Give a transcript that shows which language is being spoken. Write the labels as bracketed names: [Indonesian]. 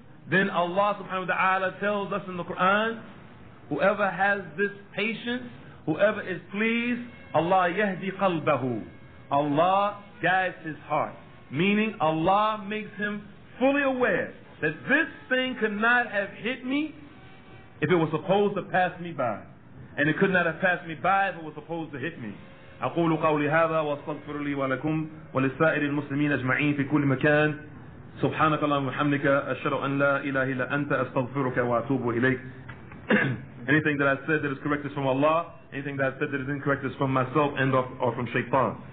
[English] Then Allah subhanahu wa ta'ala tells us in the Quran, whoever has this patience, whoever is pleased, [Arabic] Allah yahdi qalbahu. [English] Allah guides his heart. Meaning Allah makes him fully aware that this thing could not have hit me if it was supposed to pass me by. And it could not have passed me by if it was supposed to hit me. [Arabic] أقول قولي هذا واستغفر لي ولكم ولسائر المسلمين أجمعين في كل مكان سبحانك اللهم وبحمدك أشهد أن لا إله إلا أنت أستغفرك وأتوب إليك. [English] Anything that I said that is correct is from Allah. Anything that I said that is incorrect is from myself and or from Shaytan.